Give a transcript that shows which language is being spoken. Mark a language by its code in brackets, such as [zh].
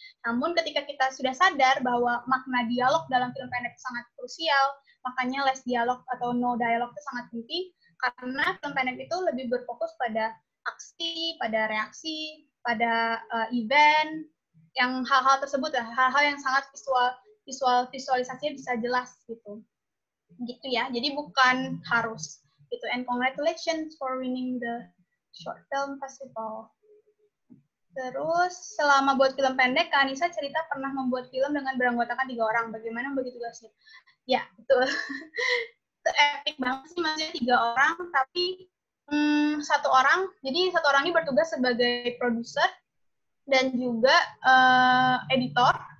[id] Namun ketika kita sudah sadar bahwa makna dialog dalam film pendek sangat krusial, makanya [en] less dialog [id] atau [en] no dialog [id] itu sangat penting, karena film pendek itu lebih berfokus pada aksi, pada reaksi, pada event, yang hal-hal tersebut, ya, hal-hal yang sangat visualisasinya bisa jelas gitu. Gitu ya, jadi bukan harus gitu. [en] And congratulations for winning the short film festival. [id] Terus, selama buat film pendek, Kak Anissa cerita pernah membuat film dengan beranggotakan 3 orang. Bagaimana membagi tugasnya? Ya, betul. Itu epic banget sih, maksudnya 3 orang, tapi satu orang. Jadi, satu orang ini bertugas sebagai produser dan juga editor.